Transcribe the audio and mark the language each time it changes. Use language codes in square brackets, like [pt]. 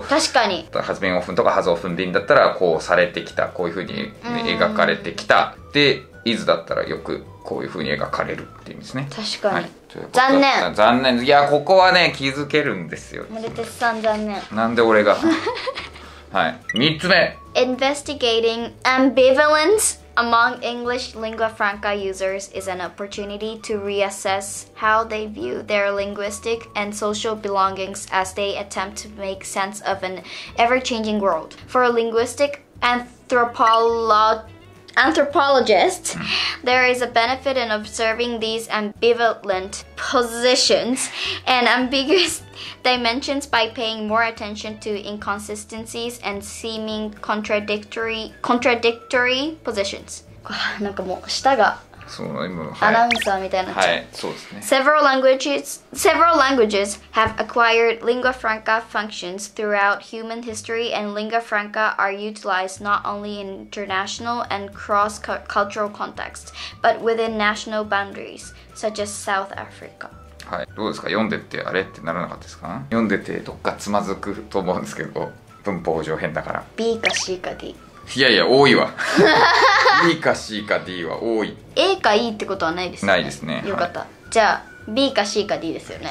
[ja] 確かにハズビンオフンとかハズオフンビンだったらこうされてきた、こういう風に、ね、描かれてきた、でイズだったらよくこういう風に描かれるっていうんですね。確かに、はい、残念残念、いやここはね気づけるんですよ。森哲さん残念、なんで俺がはい、3つ目 [en] Investigating ambivalenceAmong English lingua franca users is an opportunity to reassess how they view their linguistic and social belongings as they attempt to make sense of an ever-changing world. For a linguistic anthropologist, there is a benefit in observing these ambivalent positions and ambiguous dimensions by paying more attention to inconsistencies and seeming contradictory positions. [ja] なんかもう舌がそう今、はい、アナウンサーみたいな、はい、そうですね。 [en] Several languages have acquired lingua franca functions throughout human history, and lingua franca are utilized not only in international and cross-cultural contexts, but within national boundaries, such as South Africa. [ja] はい、どうですか、読んでてあれってならなかったですか？読んでてどっかつまずくと思うんですけど、文法上変だから。 B か C か D。いやいや多いわB か C か D は多い。 A か E ってことはないですね。ないですね。よかった、はい、じゃあ B か C か D ですよね。